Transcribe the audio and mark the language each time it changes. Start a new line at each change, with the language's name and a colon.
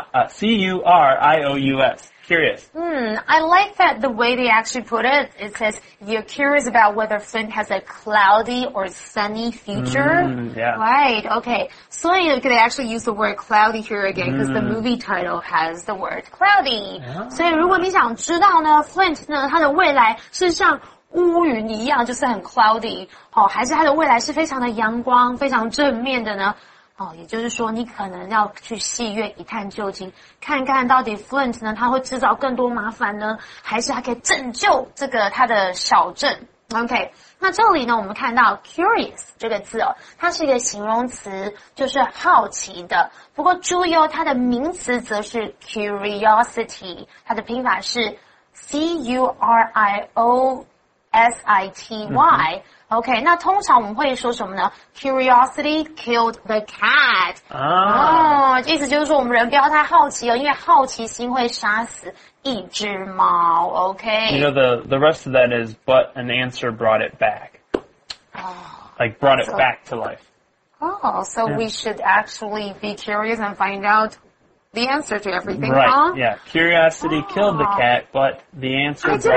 English: C-U-R-I-O-U-S. Curious. Hmm, I like that the way they actually put it. It says, you're curious about whether Flint has a cloudy or sunny future. Yeah. Right, okay. So they actually use the word cloudy here again because the movie title has the word cloudy. Yeah.
Chinese: 所以如果你想知道呢 ,Flint 呢他的未来是像乌云一样就是很 cloudy, 好、哦、还是他的未来是非常的阳光非常正面的呢哦，也就是说，你可能要去戏院一探究竟，看看到底 Flint 呢，他会制造更多麻烦呢，还是他可以拯救这个他的小镇 ？OK， 那这里呢，我们看到 curious 这个字哦，它是一个形容词，就是好奇的。不过注意哦，它的名词则是 curiosity， 它的拼法是 C U R I O S I T Y。嗯OK, 那通常我们会说什么呢 ?
English: Curiosity killed the cat.
Chinese: 意思就是说我们人不要太好奇哦因为好奇心会杀死一只猫 ,OK?
English: You know, the rest of that is, but an answer brought it back.、 Oh, like, brought it back to life. Oh, so、yeah. we should actually be curious and find out the answer to everything, right, huh? Right, yeah. Curiosity killed the cat, but the answer brought it back.